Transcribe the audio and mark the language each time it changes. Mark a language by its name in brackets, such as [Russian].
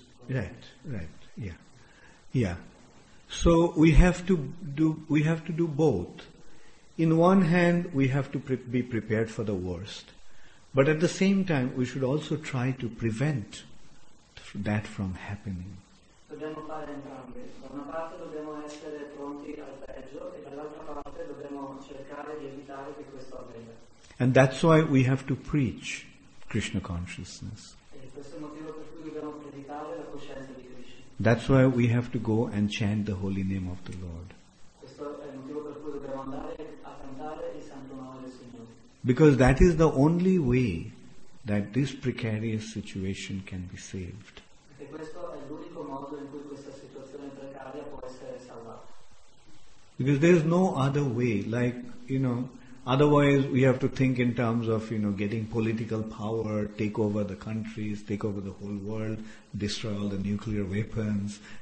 [English] Right, yeah. So we have to do both. In one hand, we have to be prepared for the worst. But at the same time, we should also try to prevent that from happening. [Italian] Dobbiamo fare entrambe. Da una parte dobbiamo essere pronti al peggio e dall'altra parte dobbiamo cercare di evitare che questo avvenga. [English] And that's why we have to preach Krishna consciousness. [Italian] E questo è il motivo per cui dobbiamo predicare la coscienza di Krishna. [English] That's why we have to go and chant the holy name of the Lord. [Italian] Questo è il motivo per cui dobbiamo andare a cantare il santo nome del Signore. [English] Because that is the only way that this precarious situation can be saved. [Italian] E questo è l'unico modo in cui questa situazione precaria può essere salvata. [English] Because there is no other way, like, you know, otherwise we have to think in terms of, you know, getting political power, take over the countries, take over the whole world, destroy all the nuclear weapons.